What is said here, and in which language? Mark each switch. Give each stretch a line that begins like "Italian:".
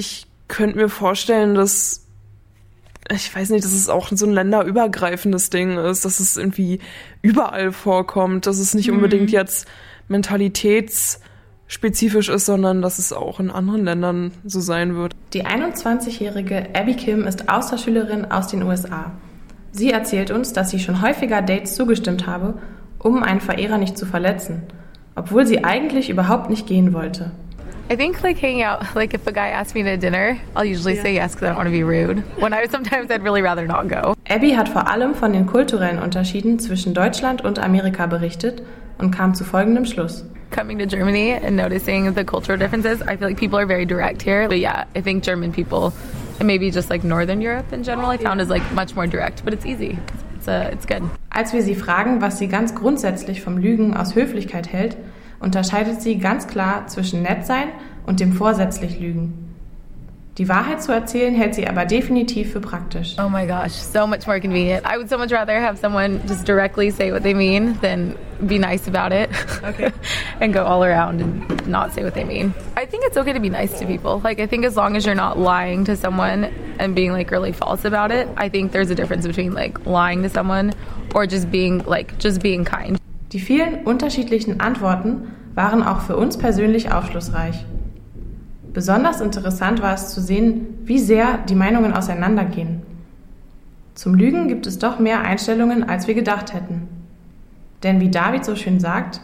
German: Ich könnte mir vorstellen, dass ich weiß nicht, dass es auch so ein länderübergreifendes Ding ist, dass es irgendwie überall vorkommt, dass es nicht unbedingt jetzt mentalitätsspezifisch ist, sondern dass es auch in anderen Ländern so sein wird. Die 21-jährige Abby Kim ist Austauschschülerin aus den USA. Sie erzählt uns, dass sie schon häufiger Dates zugestimmt habe, um einen Verehrer nicht zu verletzen, obwohl sie eigentlich überhaupt nicht gehen wollte.
English: I think like hanging out, like if a guy asks me to dinner, I'll usually say yes, because I don't want to be rude. When I sometimes I'd really rather not go.
German: Abby hat vor allem von den kulturellen Unterschieden zwischen Deutschland und Amerika berichtet und kam zu folgendem Schluss. Coming to Germany and noticing the cultural differences, I feel like people are very direct here. But yeah, I think German people, and maybe just like Northern Europe in general, I found is like much more direct, but it's easy. It's good. Als wir sie fragen, was sie ganz grundsätzlich vom Lügen aus Höflichkeit hält, unterscheidet sie ganz klar zwischen nett sein und dem vorsätzlich Lügen. Die Wahrheit zu erzählen hält sie aber definitiv für praktisch.
English: Oh my gosh, so much more convenient. I would so much rather have someone just directly say what they mean than be nice about it. Okay. And go all around and not say what they mean. I think it's okay to be nice to people. Like I think as long as you're not lying to someone and being like really false about it, I think there's a difference between like lying to someone or just being kind.
German: Die vielen unterschiedlichen Antworten waren auch für uns persönlich aufschlussreich. Besonders interessant war es zu sehen, wie sehr die Meinungen auseinandergehen. Zum Lügen gibt es doch mehr Einstellungen, als wir gedacht hätten. Denn wie David so schön sagt...